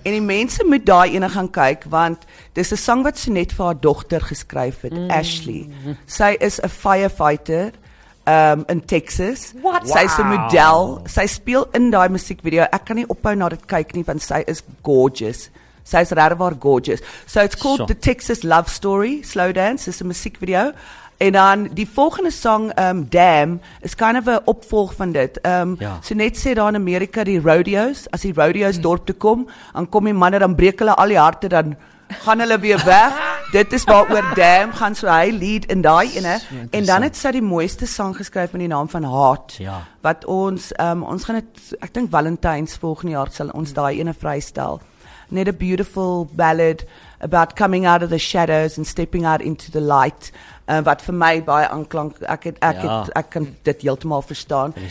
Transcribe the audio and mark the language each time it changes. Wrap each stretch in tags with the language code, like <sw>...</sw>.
<af>En die mense moet daai ene gaan kyk, want dis 'n sang wat Sonet vir haar dogter geskryf het, Ashley. Sy is 'n firefighter in Texas.</af> <en>What?</en> <af>Sy is 'n model. Sy speel in daai musiekvideo. Ek kan nie ophou na dit kyk nie, want sy is gorgeous. Sy is regwaar gorgeous.</af> <en>So it's called The Texas Love Story, Slow Dance.</en> <af>Dis 'n musiekvideo. En dan die volgende song, Damn,</af> <en>is kind of</en> <af>'n opvolg van dit. So net sê daar in Amerika die rodeos, as die rodeos dorp toe kom, dan kom die manne, dan breek hulle al die harte, dan gaan hulle weer weg. Dit is waar oor Damn gaan, so hy lead in daai ene. En dan het sy die mooiste song geskryf met die naam van Heart, wat ons gaan het, ek dink Valentine's volgende jaar sal ons daai ene vrystel. Net</af> <en>a beautiful ballad about coming out of the shadows and stepping out into the light.</en> <af>Wat vir my baie aanklank, ek kan dit heeltemal verstaan.</af>